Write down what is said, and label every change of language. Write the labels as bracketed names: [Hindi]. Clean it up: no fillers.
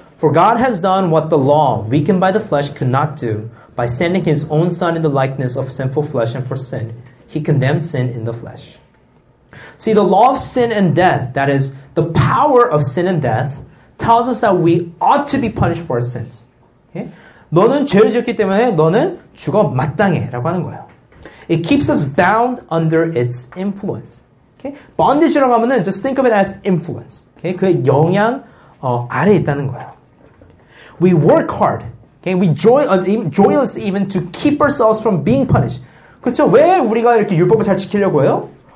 [English] For God has done what the law, weakened by the flesh, could not do. By sending his own son in the likeness of sinful flesh and for sin, he condemned sin in the flesh. See, the law of sin and death, that is, the power of sin and death, tells us that we ought to be punished for our sins. Okay? [Korean] 너는 죄를 지었기 때문에 너는 죽어 마땅해 라고 하는 거예요. [English] It keeps us bound under its influence. Okay? [Korean] Bondage라고 하면은, [English] just think of it as influence. Okay? [Korean] 그 영향 아래에 있다는 거예요. [English] We work hard. Okay, we joyless even to keep ourselves from being punished. [Korean] 그렇죠? 왜 우리가 이렇게 율법을 잘 지키려고 해요?